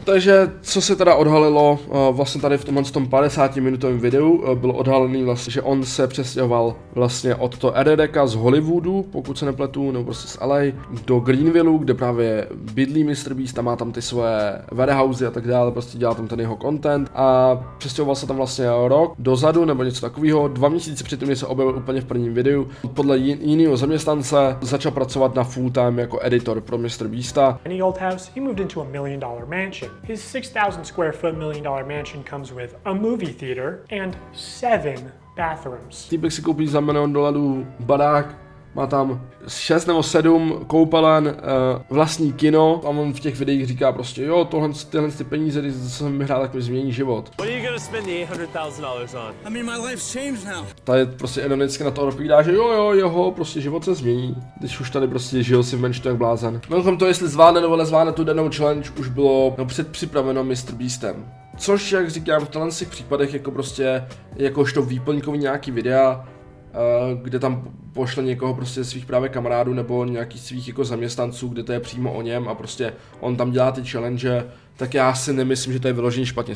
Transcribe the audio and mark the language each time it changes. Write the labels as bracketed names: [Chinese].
[Czech] Takže co se teda odhalilo vlastně tady v tomhle tom 50-minutovém videu, bylo odhalený vlastně, že on se přestěhoval vlastně od toho Ererka z Hollywoodu, pokud se nepletu, nebo prostě z LA, do Greenvilleu, kde právě bydlí Mr. Beast a má tam ty svoje warehousey a tak dále, prostě dělá tam ten jeho content a přestěhoval se tam vlastně rok dozadu nebo něco takového. 2 měsíce předtím, kdy se objevil úplně v prvním videu, podle jiného zaměstnance začal pracovat na full time jako editor pro Mr. Beasta. [English] House, he moved into a $1 million mansion. His 6,000 square foot $1 million mansion comes with a movie theater and 7 bathrooms. [Czech] Týpek si koupí za $1 million barák, má tam 6 nebo 7 koupelen, vlastní kino a on v těch videích říká prostě jo, tyhle ty peníze, když jsem vyhrál, tak mi změní život. [English] What are you gonna spend the $800,000 on? I mean, my life's changed now. [Czech] Tady prostě ironicky na to odpovídá, že jo, jeho, prostě život se změní, když už tady prostě žil si v menšinu jak blázen. Mimochodem to, jestli zvládne nebo nezvládne tu danou challenge, už bylo předpřipraveno Mr. Beastem. Což, jak říkám, v tenhle těch případech jako prostě, jakožto výplňkový nějaký videa, kde tam pošle někoho prostě svých právě kamarádů nebo nějakých svých jako zaměstnanců, kde to je přímo o něm a prostě on tam dělá ty challenge, tak já si nemyslím, že to je vyložený špatně.